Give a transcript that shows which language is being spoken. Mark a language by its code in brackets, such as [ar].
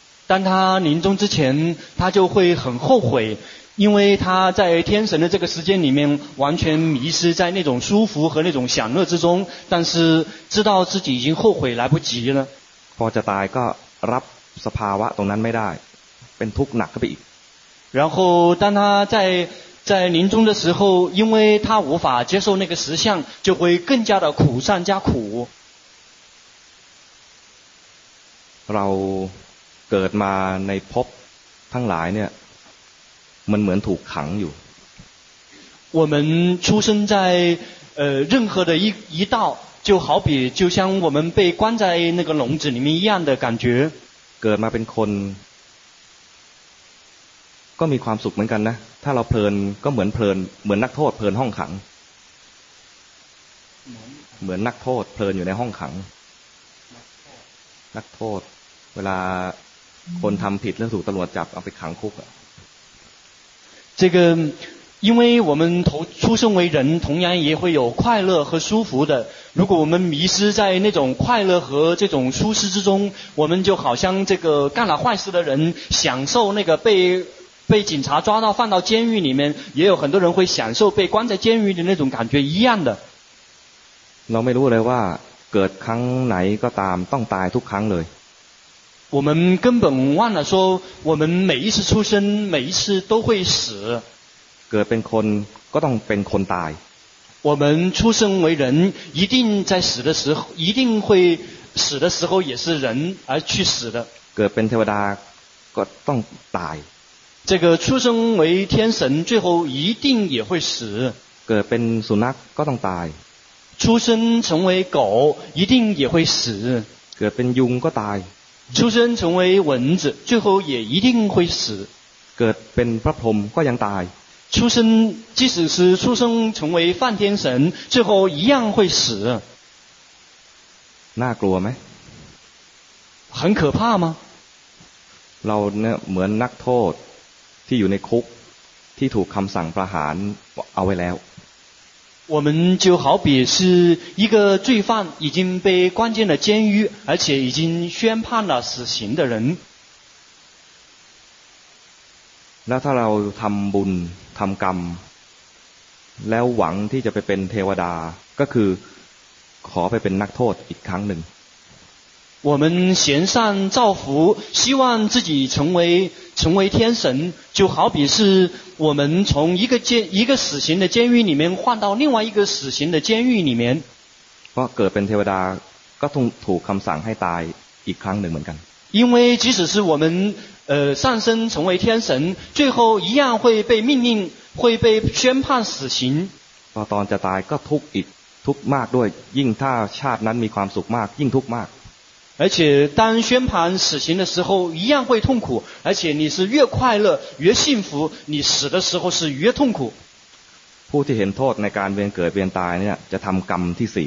[zh] 当他临终之前他就会很后悔因为他在天神的这个时间里面完全迷失在那种舒服和那种享乐之中但是知道自己已经后悔来不及了 [th] พอจะตายก็รับสภาวะตรงนั้นไม่ได้เป็นทุกข์หนักขึ้นไปอีก [zh] 然后当他在临终的时候因为他无法接受那个实相就会更加的苦上加苦 [th] เราเกิดมาในภพทั้งหลายเนี่ยมันเหมือนถูกขังอยู่ [zh] 我们出生在任何的一道就好比就像我们被关在那个笼子里面一样的感觉 [th] เกิดมาเป็นคนก็มีความสุขเหมือนกันนะถ้าเราเพลินก็เหมือนเพลินเหมือนนักโทษเพลินห้องขังเหมือนนักโทษเพลินอยู่ในห้องขังนักโทษเวลาคนทําผิดแล้วถูกตำรวจจับเอาไปขังคุกอ่ะ [zh] 这个因为我们出生为人同样也会有快乐和舒服的如果我们迷失在那种快乐和这种舒适之中我们就好像这个干了坏事的人享受那个被警察抓到放到监狱里面也有很多人会享受被关在监狱的那种感觉一样的 [th] เราไม่รู้เลยว่าเกิดครั้งไหนก็ตามต้องตายทุกครั้งเลย [zh] 我们根本忘了说我们每一次出生每一次都会死 [th] เกิดเป็นคนก็ต้องเป็นคนตาย [zh] 我们出生为人一定在死的时候一定会死的时候也是人而去死的 [th] เกิดเป็นเทวดาก็ต้องตาย [zh] 这个出生为天神最后一定也会死 [th] เกิดเป็นสุนัขก็ต้องตาย [zh] 出生成为狗一定也会死 [th] เกิดเป็นยุงก็ตาย [zh] 出生成为蚊子最后也一定会死 [th] เกิดเป็นพระพรหมก็ยังตาย [zh] 出生即使是出生成为梵天神最后一样会死 [th] น่ากลัวไหม [zh] 很可怕吗 [th] เราเนี่ยเหมือนนักโทษที่อยู่ในคุกที่ถูกคำสั่งประหารเอาไว้แล้ว [zh] 我们就好比是一个罪犯已经被关进了监狱而且已经宣判了死刑的人那 [th] ถ้าเราทำบุญทำกรรมแล้วหวังที่จะไปเป็นเทวดาก็คือขอไปเป็นนักโทษอีกครั้งหนึ่ง [zh] 我们行善造福希望自己成为天神就好比是我们从一个死刑的监狱里面换到另外一个死刑的监狱里面 [th] เพราะเกิดเป็นเทวดาก็ต้องถูกคำสั่งให้ตายอีกครั้งหนึ่งเหมือนกัน [zh] 因为即使是我们上升成为天神最后一样会被命令会被宣判死刑 [th] พอตอนจะตายก็ทุกข์อีกทุกข์มากด้วยยิ่งถ้าชาตินั้นมีความสุขมากยิ่งทุกข์มาก [zh] 而且当宣判死刑的时候一样会痛苦而且你是越快乐越幸福你死的时候是越痛苦 [th] ผู้ที่เห็นโทษในการเวียนเกิดเวียนตายเนี่ยจะทำกรรมที่สี